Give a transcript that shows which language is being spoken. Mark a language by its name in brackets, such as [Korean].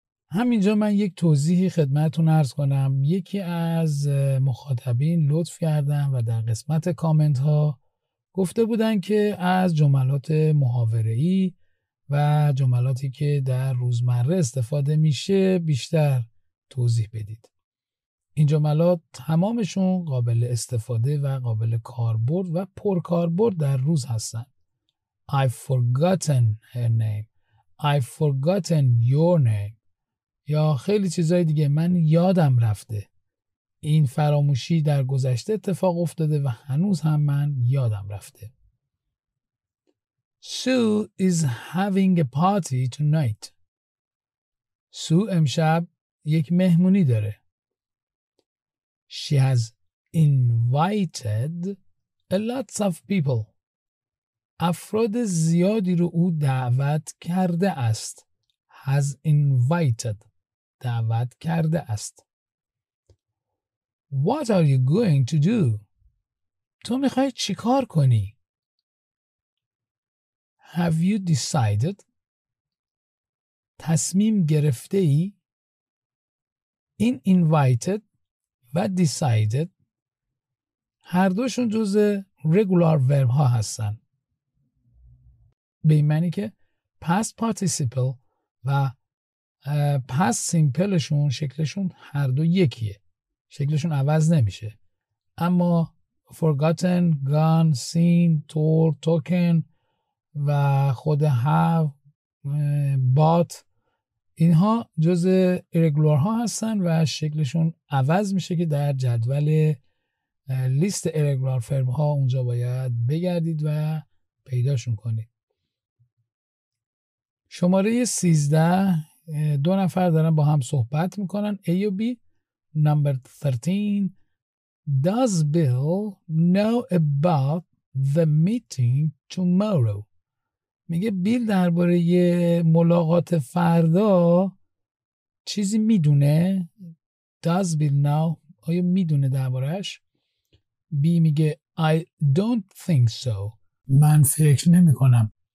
[Persian] همینجا من یک توضیحی خدمتون عرض کنم. یکی از مخاطبین لطف کردن و در قسمت کامنت ها گفته بودن که از جملات محاوره‌ای و جملاتی که در روزمره استفاده میشه بیشتر توضیح بدید. این جملات تمامشون قابل استفاده و قابل کاربرد و پرکاربرد در روز هستن. [English] I've forgotten her name. I've forgotten your name. [Persian] یا خیلی چیزای دیگه، من یادم رفته. این فراموشی در گذشته اتفاق افتاده و هنوز هم من یادم رفته. [English] Sue is having a party tonight. [Persian] Sue امشب یک مهمونی داره. [English] She has invited a lot of people. [Persian] افراد زیادی رو او دعوت کرده است. [English] Has invited. [Persian] دعوت کرده است. [English] What are you going to do? [Persian] تو میخوای چی کار کنی؟ [English] Have you decided? [Persian] تصمیم گرفته ای؟ In invited و decided هر دوشون جزء regular verb ها هستن. به این معنی که past participle و past simpleشون شکلشون هر دو یکیه. شکلشون عوض نمیشه. اما forgotten, gone, seen, told, talking و خود have بات، اینها جز ایرگولار ها هستن و شکلشون عوض میشه که در جدول لیست ایرگولار فرم ها اونجا باید بگردید و پیداشون کنید. شماره 13، دو نفر دارن با هم صحبت میکنن. [English] A و B. Number 13. Does Bill know about the meeting tomorrow? [Persian] میگه بیل درباره یه ملاقات فردا چیزی میدونه؟ [English] Does Bill know؟ [Persian] آیا میدونه دربارهش؟ B میگه [English] I don't think so. [Persian] من فکر نمی کنم.